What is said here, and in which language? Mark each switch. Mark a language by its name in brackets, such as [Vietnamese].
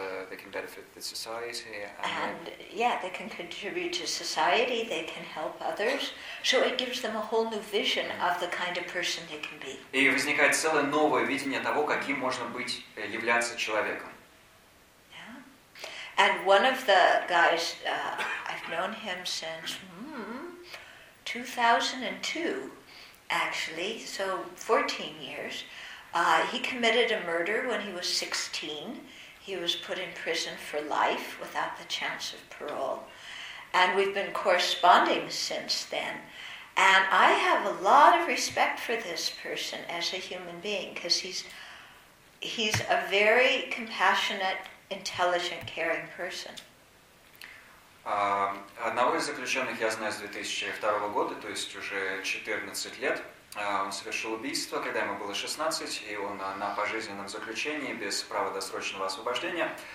[English] They can benefit the society. And yeah, they can contribute to society, they can help others. So it gives them a whole new vision of the kind of person they can be. [Russian] И возникает целое новое видение того, каким можно быть, являться человеком. [English] Yeah. And one of the guys, I've known him since 2002, actually, so 14 years. He committed a murder when he was 16. He was put in prison for life without the chance of parole. And we've been corresponding since then. And I have a lot of respect for this person as a human being, because he's a very compassionate, intelligent, caring person. [Russian] Одного из заключенных я знаю с 2002 года, то есть уже 14 лет. Он совершил убийство, когда ему было 16, и он на пожизненном заключении, без права досрочного освобождения.